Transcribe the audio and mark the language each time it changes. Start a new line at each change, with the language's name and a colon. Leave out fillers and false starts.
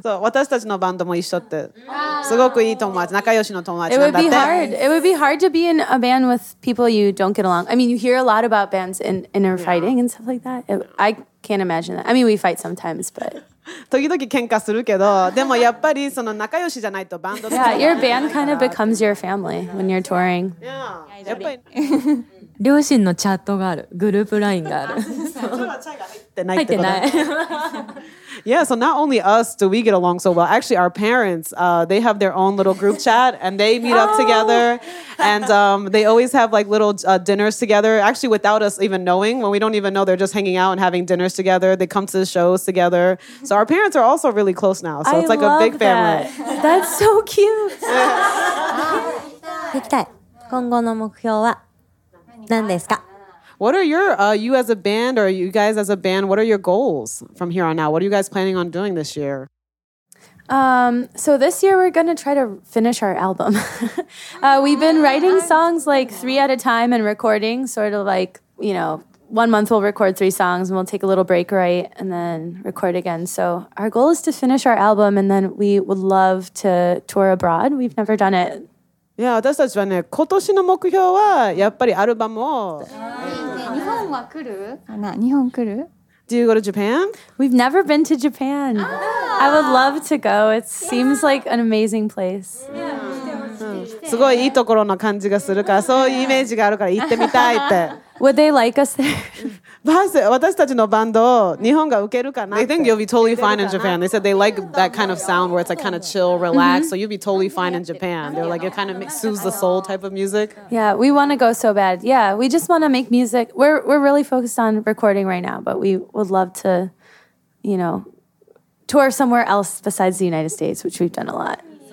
Japanese: So 私たちのバンドも一緒って。すごくいい友達、仲良しの友達なんだって。
English: It would be hard. It would be hard to be in a band with people you don't get along. I mean, you hear a lot about bands in inner fighting and stuff like that. I can't imagine that. I mean, we fight sometimes, but.
Japanese: 時々喧嘩するけど、でもやっぱりその仲良しじゃないとバンド。
English: Yeah, your band kind of becomes your family when you're touring.
Japanese: Yeah, やっぱり。両親のチャットがある、グループラインがある。入ってない。
English: Yeah, so not only us do we get along so well. Actually, our parents, they have their own little group chat and they meet up together. And they always have like little dinners together. Actually, without us even knowing, when we don't even know, they're just hanging out and having dinners together. They come to the shows together. So our parents are also really close now. So it's like a big family. That's so cute.
Japanese: 行きたい。今後の目標は何ですか?
English: What are your, you as a band, or you guys as a band, what are your goals from here on out? What are you guys planning on doing this year? So this year we're going to try to finish our album. we've been writing songs like three at a time and recording sort of like, you know, 1 month we'll record three songs and we'll take a little break, right, and then record again. So our goal is to finish our album and then we would love to tour abroad. We've never done it.
Japanese: Yeah, 私たちはね、今年の目標はやっぱりアルバムを。日本は来る？日本来る？
English: Do you go to Japan? We've never been to Japan. I would love to go. It seems like an amazing place.
Japanese: すごいいいところな感じがするから、そういうイメージがあるから行ってみたいって。
English: Would they like us there?
Japanese: 私たちのバンドを日本が受けるかな。
English: They think you'll be totally fine in Japan. They said they like that kind of sound where it's like kind of chill, relax. So you'll be totally fine in Japan. They're like, it kind of soothes the soul type of music. Yeah, we want to go so bad. Yeah, we just want to make music. We're really focused on recording right now, but we would love to, you know, tour somewhere else besides the United States, which we've done a lot.